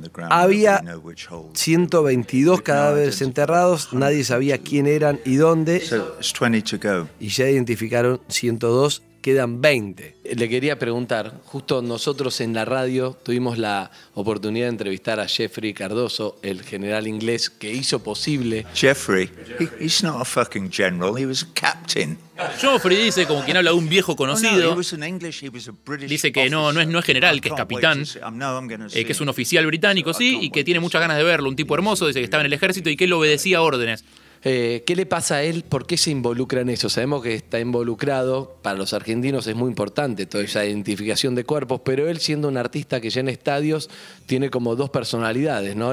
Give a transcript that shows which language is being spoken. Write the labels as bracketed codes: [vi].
[es] Había 122 cadáveres enterrados, nadie sabía quién eran y dónde, y ya identificaron 102, quedan 20. Le quería preguntar, justo nosotros en la radio tuvimos la oportunidad de entrevistar a Jeffrey Cardoso, el general inglés que hizo posible. [en] Jeffrey, he's not a fucking general, he was a captain. [es] Jeffrey dice, como quien habla de un viejo conocido, dice que no es general, que es capitán, que es un oficial británico, sí, y que tiene muchas ganas de verlo. Un tipo hermoso, dice que estaba en el ejército y que él obedecía órdenes. ¿Qué le pasa a él? ¿Por qué se involucra en eso? Sabemos que está involucrado, para los argentinos es muy importante toda esa identificación de cuerpos, pero él, siendo un artista que llena estadios, tiene como dos personalidades, ¿no?